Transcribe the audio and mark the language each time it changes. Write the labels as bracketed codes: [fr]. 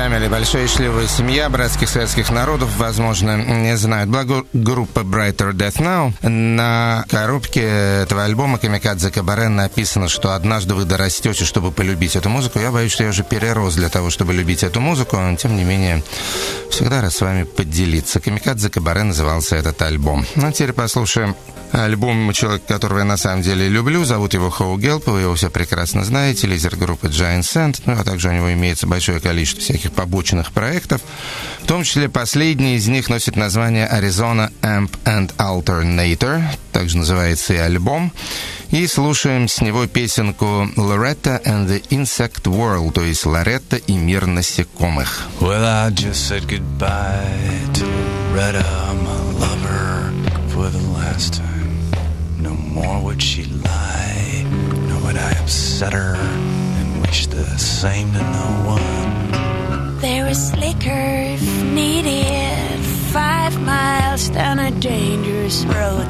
[ru] «Большая счастливая семья братских советских народов», возможно, не знаю. Благо, группа Brighter Death Now. На коробке этого альбома «Камикадзе Кабаре» написано, что однажды вы дорастете, чтобы полюбить эту музыку. Я боюсь, что я уже перерос для того, чтобы любить эту музыку, но, тем не менее, всегда рад с вами поделиться. «Камикадзе Кабаре» назывался этот альбом. Ну, теперь послушаем альбом человека, которого я на самом деле люблю. Зовут его Хоу Гелп, вы его все прекрасно знаете. Лидер группы Giant Sand. Ну, а также у него имеется большое количество всяких побочных проектов. В том числе последний из них носит название Arizona Amp and Alternator. Также называется и альбом. И слушаем с него песенку Loretta and the Insect World, то есть Loretta и мир насекомых. [en] Well, I just said goodbye to Loretta, my lover. For the last time, no more would she lie, nor would I upset her and wish the same to no one. There is liquor if needed, 5 miles down a dangerous road.